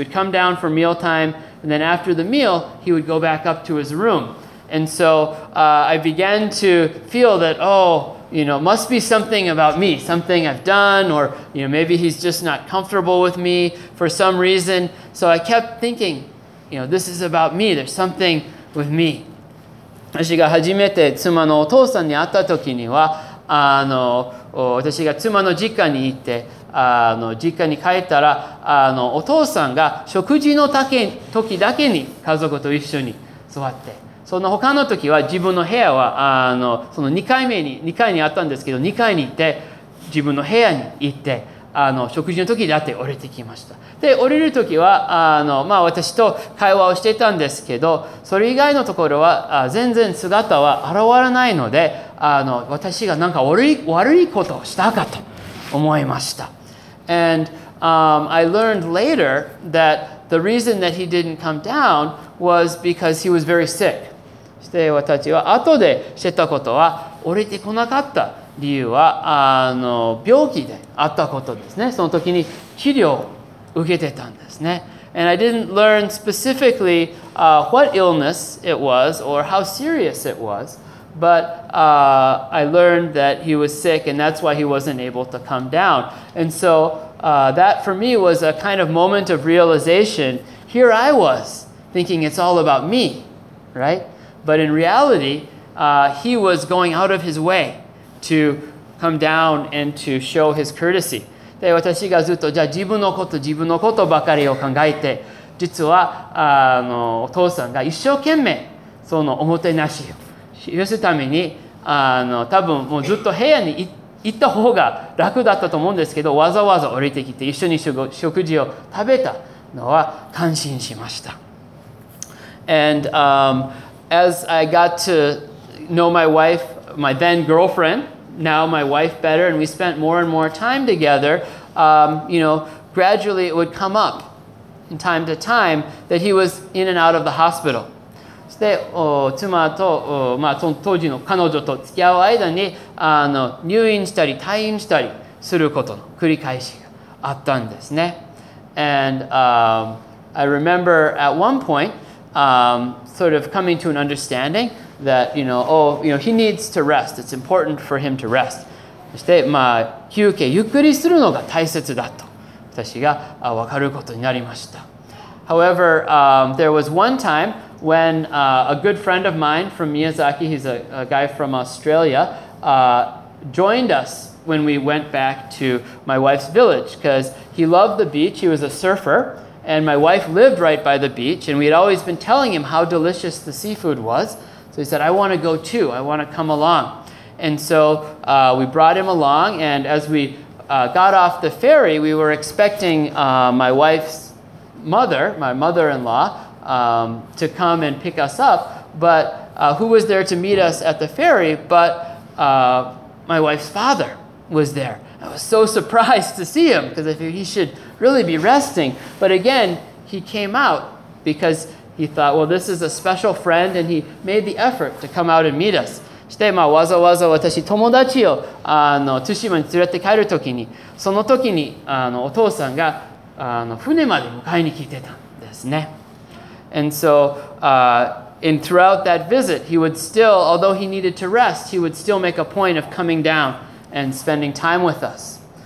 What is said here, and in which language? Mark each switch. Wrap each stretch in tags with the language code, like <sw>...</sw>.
<en>He would come down for mealtime, and then after the meal, he would go back up to his room. And so I began to feel that, oh, you know, must be something about me, something I've done, or, you know, maybe he's just not comfortable with me for some reason. So I kept thinking, you know, this is about me. There's something with me.</en> <ja>私が初めて妻のお父さんに会った時には、あの私が妻の実家に行って、あの実家に帰ったら、あのお父さんが食事の時だけに家族と一緒に座って、その他の時は自分の部屋は、あのその2階にあったんですけど、2階に行って自分の部屋に行って、あの食事の時だって降りてきました。で、降りる時は、あの、まあ、私と会話をしていたんですけど、それ以外のところは全然姿は現らないので、あの私が何か悪いことをしたかと思いました。</ja> <en>And I learned later that the reason that he didn't come down was because he was very sick.</en> <ja>そして私は後で知ったことは、降りてこなかった理由は、あの病気であったことですね。その時に治療を受けてたんですね。</ja> <en>And I didn't learn specifically what illness it was or how serious it was, but I learned that he was sick, and that's why he wasn't able to come down. And so that for me was a kind of moment of realization. Here I was thinking it's all about me, right? But in reality, he was going out of his way to come down and to show his courtesy.</en> <ja>で、私がずっと、じゃあ自分のことばかりを考えて、実は、あの、お父さんが一生懸命、そのおもてなしを示すために、あの、多分もうずっと部屋に行った方が楽だったと思うんですけど、わざわざ降りてきて一緒に食事を食べたのは感心しました。</ja> <en>And, as I got to know my wife, my then girlfriend,now my wife better, and we spent more and more time together, you know, gradually it would come up in time to time that he was in and out of the hospital.</en> <ja>そして、妻と、まあ、その当時の彼女と付き合う間に、あの入院したり退院したりすることの繰り返しがあったんですね。</ja> <en>And I remember at one point sort of coming to an understandingthat, you know, oh, you know, he needs to rest. It's important for him to rest.</en> <ja>そして、まあ、休憩、ゆっくりするのが大切だと私が分かることになりました。</ja> <en>However, there was one time when a good friend of mine from Miyazaki, he's a guy from Australia, joined us when we went back to my wife's village, because he loved the beach. He was a surfer, and my wife lived right by the beach, and we had always been telling him how delicious the seafood was. So he said, I want to go too. I want to come along. And so we brought him along. And as we got off the ferry, we were expecting my wife's mother, my mother-in-law, to come and pick us up, but who was there to meet us at the ferry but my wife's father was there. I was so surprised to see him because I figured he should really be resting. But again, he came out because he thought, well, this is a special friend, and he made the effort to come out and meet us.</en> <ja>してまあわざわざ私友達をあの対馬に連れて帰る時にその時にあのお父さんがあの船まで迎えに来てたんですね。</ja> <en>And so and throughout that visit, he would still, although he needed to rest, he would still make a point of coming down and spending time with us.</en>